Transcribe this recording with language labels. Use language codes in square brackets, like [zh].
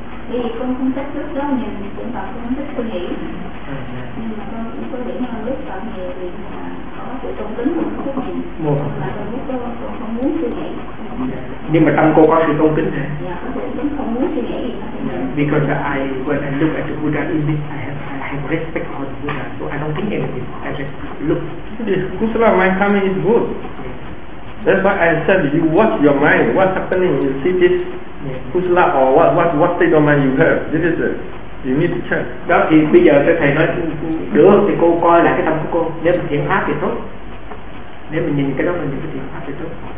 [vi] Thì con không thích lúc đó nhìn cũng bảo con thích suy nghĩ, nhưng mà con cũng có điểm hơn lúc tâm nhiều thì có sự tôn kính của cô nhìn. Một. Mà con lúc đó con không muốn suy nghĩ. Nhưng mà tâm cô có sự tôn kính này. Dạ, không muốn suy nghĩ. [en] Because I when I look at the Buddha in this, I have respect for the Buddha, so I don't think anything. I just look. Kusala, my coming is good. That's why I said you watch your mind. What's happening? You see this kusala or what state of mind you have? This is it. You need to check. [vi] Đó thì bây giờ cái thầy nói được thì cô coi lại cái tâm của cô. Nếu mình thiện pháp thì tốt. Nếu mình nhìn cái đó mình thiện pháp thì tốt.